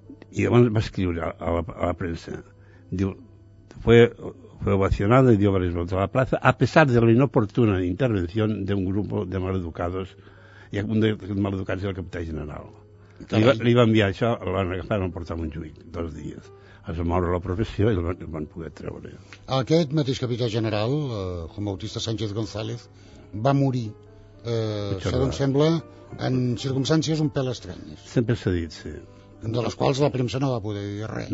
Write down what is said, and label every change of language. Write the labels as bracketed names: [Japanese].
[Catalan] I llavors va escriure a la premsa. [Spanish] Diu, fue ovacionado y dio varias vueltas a la plaza a pesar de la inoportuna intervención de un grupo de maleducados, y un de maleducados [Catalan] era el capità general. Li va enviar això, l'han agafat i l'han portat a Montjuïc 2 dies. Es va moure la professió i el van poder treure. Aquest mateix capità general, Juan Bautista Sánchez González, va morir, segons sembla, en circumstàncies un pèl estranyes. Sempre s'ha dit, sí. De les quals la premsa no va poder dir res.